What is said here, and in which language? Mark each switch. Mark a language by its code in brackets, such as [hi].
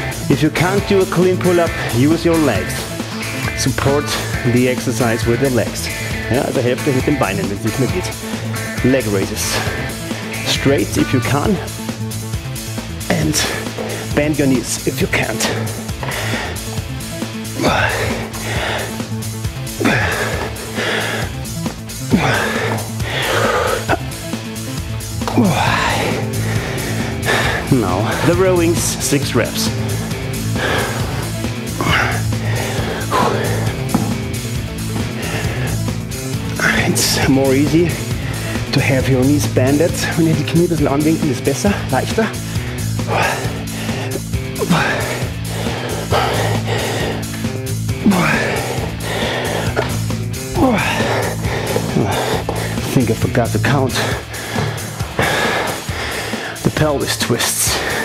[en] If you can't do a clean pull-up, use your legs. Support the exercise with your legs. [de] Ja, also helft euch mit den Beinen, wenn es nicht mehr geht. [en] Leg raises. Straight if you can. And bend your knees if you can't. Ah. Now, the rowings, 6 reps. It's more easy to have your knees bended. [de] Wenn ihr die Knie ein bisschen anwinkelt, ist besser, leichter. [en] I think I forgot to count the pelvis twists.